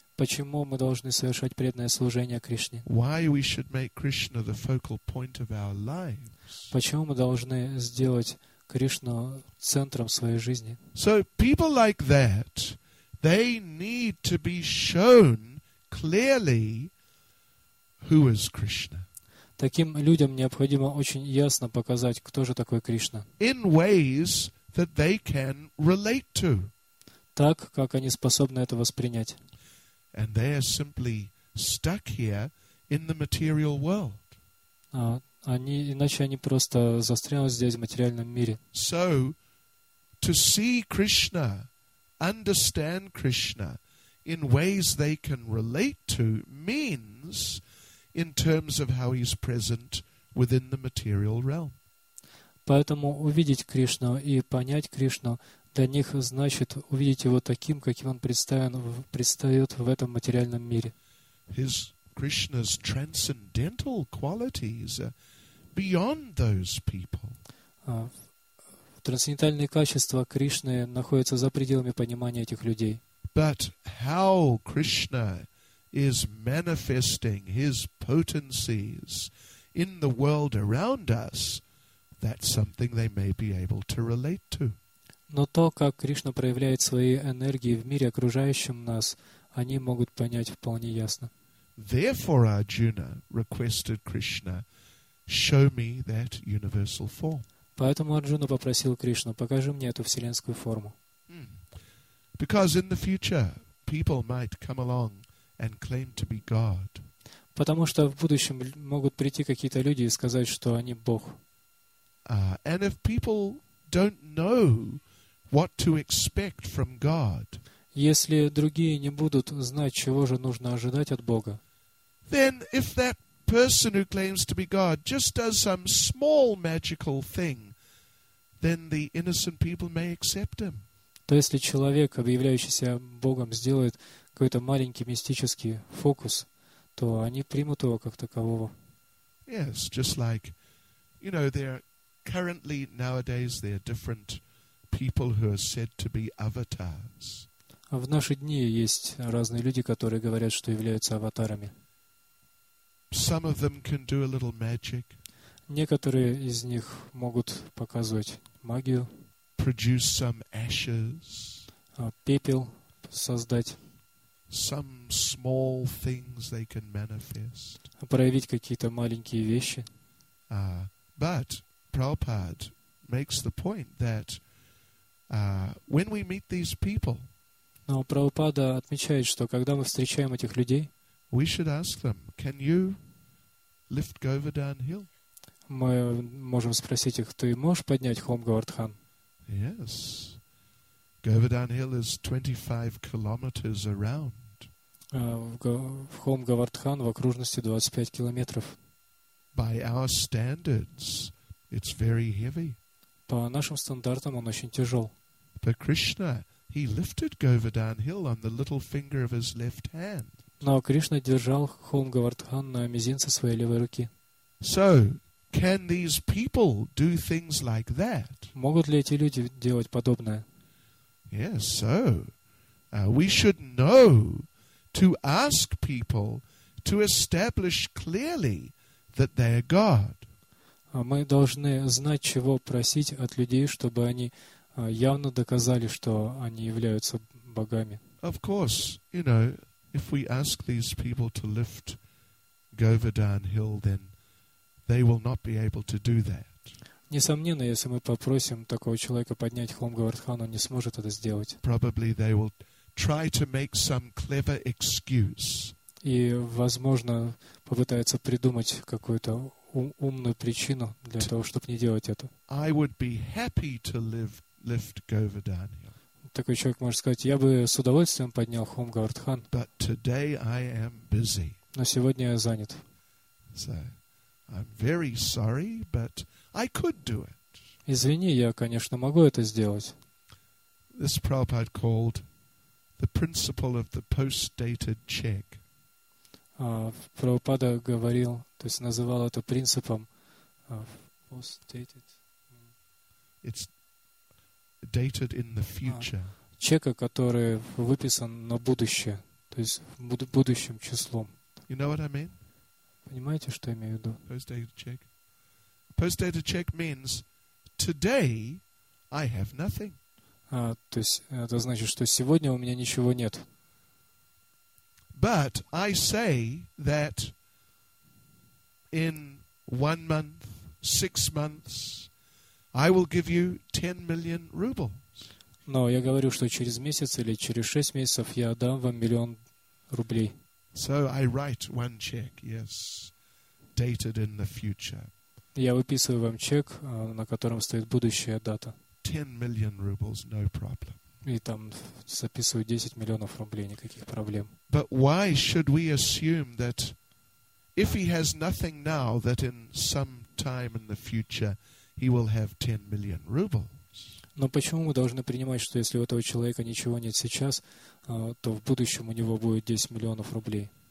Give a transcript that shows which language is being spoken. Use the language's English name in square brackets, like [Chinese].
[Russian] Почему мы должны совершать преданное служение Кришне? [English] Why we should make Krishna the focal point of our lives. [Russian] Почему мы должны сделать Кришну центром своей жизни? [English] So people like that, they need to be shown clearly who is Krishna. [Russian] Таким людям необходимо очень ясно показать, кто же такой Кришна. [English] In ways that they can relate to. [Russian] Так, как они способны это воспринять. [English] And they are simply stuck here in the material world. [Russian] Иначе они просто застряли здесь в материальном мире. [English] So, to see Krishna, understand Krishna in ways they can relate to means in terms of how he's present within the material realm. [Russian] Поэтому увидеть Кришну и понять Кришну для них значит увидеть его таким, каким он предстает в этом материальном мире. [English] His Krishna's transcendental qualities are beyond those people. [Russian] Трансцендентальные качества Кришны находятся за пределами понимания этих людей. [English] But how Krishna is manifesting his potencies in the world around us, that's something they may be able to relate to. [Russian] Но то, как Кришна проявляет свои энергии в мире, окружающем нас, они могут понять вполне ясно. [English] Therefore, Arjuna requested Krishna, show me that universal form. [Russian] Поэтому Арджуна попросил Кришну, покажи мне эту вселенскую форму. [English] Because in the future, people might come along and claim to be God. [Russian] Потому что в будущем могут прийти какие-то люди и сказать, что они Бог. [English] And if people don't know what to expect from God, [Russian] если другие не будут знать, чего же нужно ожидать от Бога, [English] then if that person who claims to be God just does some small magical thing, then the innocent people may accept him. [Russian] То если человек, объявляющийся Богом, сделает какой-то маленький мистический фокус, то они примут его как такового. [English] Yes, just like, you know, there are currently nowadays there are different people who are said to be avatars. [Russian] В наши дни есть разные люди, которые говорят, что являются аватарами. [English] Some of them can do a little magic. [Russian] Некоторые из них могут показывать магию. [English] Produce some ashes. [Russian] Пепел создать. [English] Some small things they can manifest. [Russian] Проявить какие-то маленькие вещи. [English] But Prabhupada makes the point that when we meet these people, [Russian] но Прабхупада отмечает, что когда мы встречаем этих людей, [English] we should ask them, can you lift Govardhan Hill? [Russian] Мы можем спросить их, ты можешь поднять холм Говардхан? [English] Yes. Govardhan Hill is 25 kilometers around. [Russian] Холм Говардхан в окружности 25 километров. [English] By our standards, it's very heavy. [Russian] По нашим стандартам он очень тяжел. [English] But Krishna, he lifted Govardhan Hill on the little finger of his left hand. [Russian] Но Кришна держал холм Говардхан на мизинце своей левой руки. [English] So, can these people do things like that? [Russian] Могут ли эти люди делать подобное? [English] Yes, so, we should know to ask people to establish clearly that they are God. [Russian] Мы должны знать, чего просить от людей, чтобы они явно доказали, что они являются богами. [English] Of course, you know, if we ask these people to lift Govardhan Hill, then they will not be able to do that. [Russian] Несомненно, если мы попросим такого человека поднять холм Говардхан, он не сможет это сделать. [English] Probably they will try to make some clever excuse. [Russian] и, возможно, попытается придумать какую-то умную причину для того, чтобы не делать это. [English] I would be happy to lift Govardhan Hill. [Russian] Такой человек может сказать, я бы с удовольствием поднял холм Говардхан. [English] But today I am busy. [Russian] Но сегодня я занят. [English] So, I'm very sorry, but I could do it. [Russian] Извини, я, конечно, могу это сделать. [English] This Prabhupada called the principle of the post-dated check. [Russian] Прабхупада говорил, то есть называл это принципом post-dated. [English] It's dated in the future. [Russian] Чека, который выписан на будущее, то есть будущим числом. [English] You know what I mean? [Russian] Понимаете, что я имею в виду? [English] Post-dated check. Post-dated check means today I have nothing. [Russian] То есть это значит, что сегодня у меня ничего нет. [English] But I say that in 1 month, 6 months, I will give you 10 million rubles. [Russian] Но я говорю, что через месяц или через 6 месяцев я дам вам 1 000 000 рублей. [English] So I write one check, yes, dated in the future. [Russian] Я выписываю вам чек, на котором стоит будущая дата. [English] 10 million rubles, no problem. [Russian] И там записывают 10 000 000 рублей, никаких проблем. [English] But why should we assume that if he has nothing now, that in some time in the future he will have 10 million rubles? [Russian] Но почему мы должны принимать, что если у этого человека ничего нет сейчас, то в будущем у него будет 10 000 000 рублей?